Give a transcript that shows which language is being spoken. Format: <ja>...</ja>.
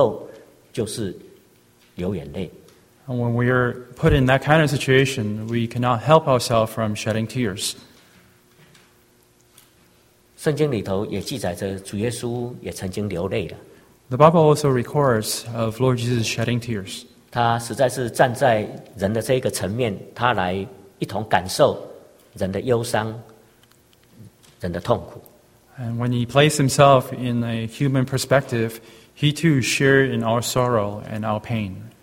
<zh>在那一种情况之下，我们常常不由自主的一种情感上的一种流露，就是流眼泪。</zh> <en>And when we are put in that kind of situation, we cannot help ourselves from shedding tears.</en> <zh>圣经里头也记载着主耶稣也曾经流泪了。</zh> <en>The Bible also records of Lord Jesus shedding tears.</en> <zh>他实在是站在人的这个层面，他来一同感受人的忧伤，人的痛苦。</zh> <en>And when he placed himself in a human perspective, he too shared in our sorrow and our pain.</en>